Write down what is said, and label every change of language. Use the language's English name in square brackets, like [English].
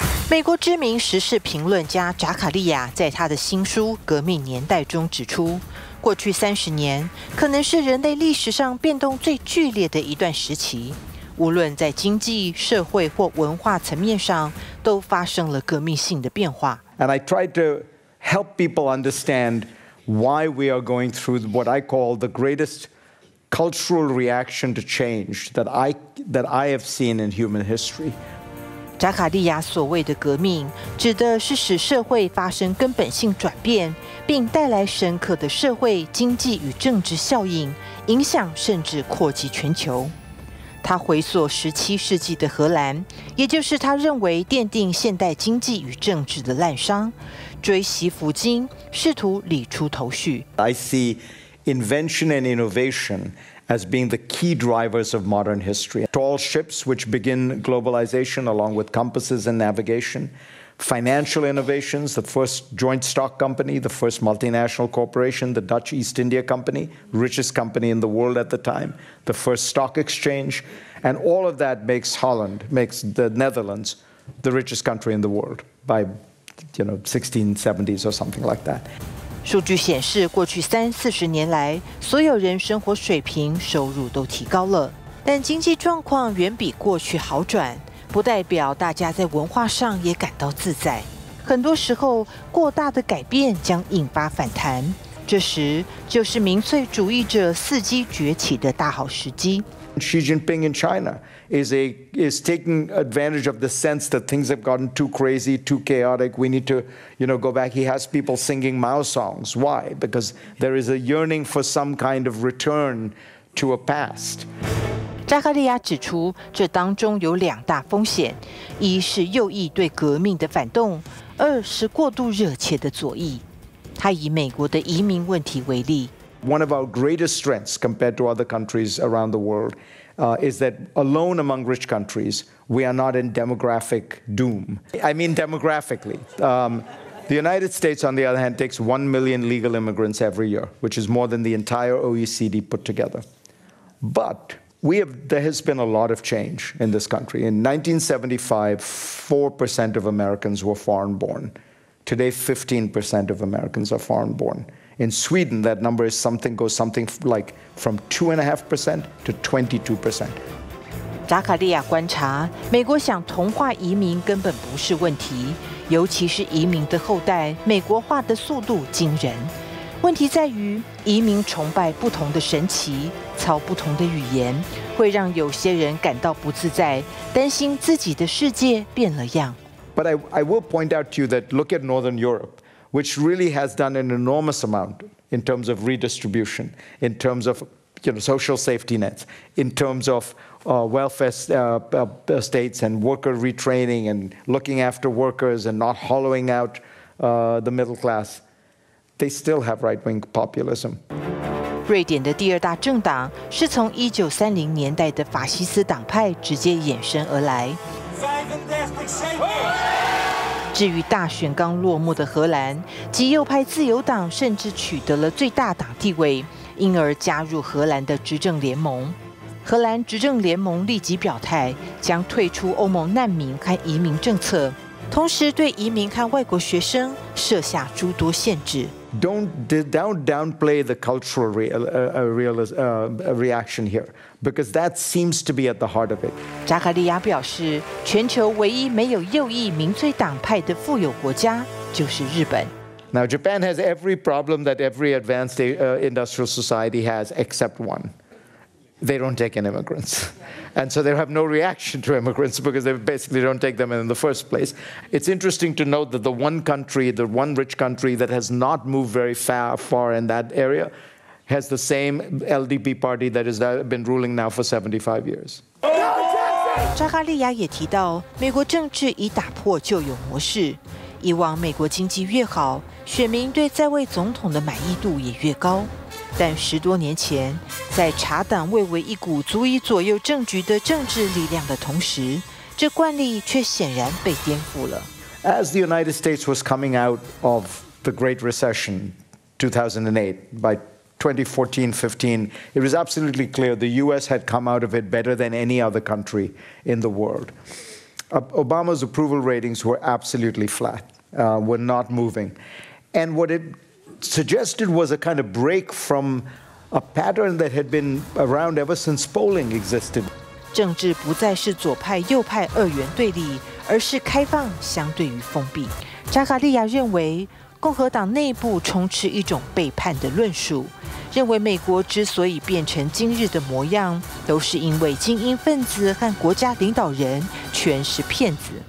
[Chinese] 美国知名时事评论家扎卡利亚在他的新书《革命年代》中指出，过去30年可能是人类历史上变动最剧烈的一段时期，无论在经济、社会或文化层面上，都发生了革命性的变化。 [English] And I tried to help people understand why we are going through what I call the greatest cultural reaction to change that I have seen in human history. [Chinese] 扎卡利亚所谓的革命，指的是使社会发生根本性转变，并带来深刻的社会、经济与政治效应，影响甚至扩及全球。他回溯17世纪的荷兰，也就是他认为奠定现代经济与政治的滥觞，追昔抚今，试图理出头绪。 [English] I see invention and innovation. As being the key drivers of modern history. Tall ships, which begin globalization along with compasses and navigation. Financial innovations, the first joint stock company, the first multinational corporation, the Dutch East India Company, richest company in the world at the time, the first stock exchange. And all of that makes Holland, makes the Netherlands, the richest country in the world by, you know, 1670s or something like that. [Chinese] 数据显示，过去30-40年来，所有人生活水平、收入都提高了，但经济状况远比过去好转，不代表大家在文化上也感到自在。很多时候，过大的改变将引发反弹，这时就是民粹主义者伺机崛起的大好时机。 [English] Xi Jinping in China is taking advantage of the sense that things have gotten too crazy, too chaotic. We need to, you know, go back. He has people singing Mao songs. Why? Because there is a yearning for some kind of return to a past. [Chinese] 扎卡利亚指出，这当中有两大风险：一是右翼对革命的反动，二是过度热切的左翼。他以美国的移民问题为例。 [English] One of our greatest strengths compared to other countries around the world, is that alone among rich countries, we are not in demographic doom. I mean demographically. The United States, on the other hand, takes 1 million legal immigrants every year, which is more than the entire OECD put together. But there has been a lot of change in this country. In 1975, 4% of Americans were foreign born. Today, 15% of Americans are foreign born. In Sweden, that number is something goes something like from 2.5% to 22%. [Chinese] 扎卡利亚观察，美国想同化移民根本不是问题，尤其是移民的后代，美国化的速度惊人。问题在于，移民崇拜不同的神奇，操不同的语言，会让有些人感到不自在，担心自己的世界变了样。 [English] But I will point out to you that look at Northern Europe, which really has done an enormous amount in terms of redistribution, in terms of social safety nets, in terms of welfare states and worker retraining and looking after workers and not hollowing out the middle class. They still have right-wing populism. [Chinese] 瑞典的第二大政党是从1930年代的法西斯党派直接衍生而来。至于大选刚落幕的荷兰，极右派自由党甚至取得了最大党地位，因而加入荷兰的执政联盟。荷兰执政联盟立即表态，将退出欧盟难民和移民政策，同时对移民和外国学生设下诸多限制。 [English] Don't downplay the cultural reaction here, because that seems to be at the heart of it. [Chinese] 扎卡利亚表示，全球唯一没有右翼民粹党派的富有国家就是日本。 [English] Now, Japan has every problem that every advanced industrial society has, except one. They don't take in immigrants. And so they have no reaction to immigrants because they basically don't take them in the first place. It's interesting to note that the one rich country that has not moved very far in that area has the same LDP party that has been ruling now for 75 years. [Chinese] 扎卡利亚也提到，美国政治已打破旧有模式。以往美国经济越好，选民对在位总统的满意度也越高。但十多年前，在茶党蔚为一股足以左右政局的政治力量的同时，这惯例却显然被颠覆了。 [English] As the United States was coming out of the Great Recession, 2008, by 2014-15, it was absolutely clear the U.S. had come out of it better than any other country in the world. Obama's approval ratings were absolutely flat, were not moving, and what it suggested was a kind of break from a pattern that had been around ever since polling existed. [Chinese] 政治不再是左派右派二元对立，而是开放相对于封闭。扎卡利亚认为，共和党内部充斥一种背叛的论述，认为美国之所以变成今日的模样，都是因为精英分子和国家领导人全是骗子。